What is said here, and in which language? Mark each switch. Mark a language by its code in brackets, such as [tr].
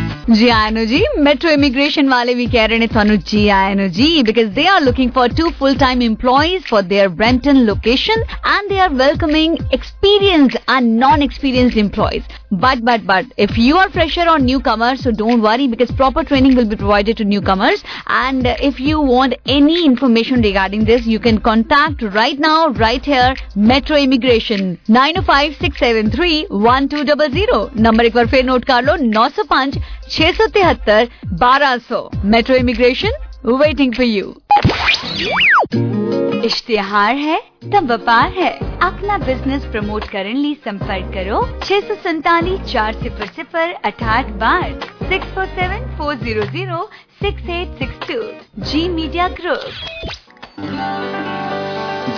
[pa] ਜੀ ਆਇਆਂ ਨੂੰ ਜੀ, [en] Metro Immigration ਵਾਲੇ ਵੀ ਕਹਿ ਰਹੇ ਨੇ ਤੁਹਾਨੂੰ ਜੀ ਆਇਆਂ ਨੂੰ ਜੀ, because they are looking for 2 full time employees for their Brampton location, and they are welcoming experienced and non experienced employees. But if you are fresher or newcomer, so don't worry because proper training will be provided to newcomers. And if you want any information regarding this, you can contact right now, right here, Metro Immigration, 905-673-1200. [hi] Number ek bar fir [en] note kar lo, [hi] 905-673-1200. [en] Metro Immigration, waiting for you. [pa] ਇਸ਼ਤਿਹਾਰ ਹੈ ਤਾਂ ਵਪਾਰ ਹੈ, ਆਪਣਾ business promote ਕਰਨ ਲਈ ਸੰਪਰਕ ਕਰੋ 647-400-6812, 647-400-6862, ਜੀ ਮੀਡੀਆ ਗਰੁੱਪ।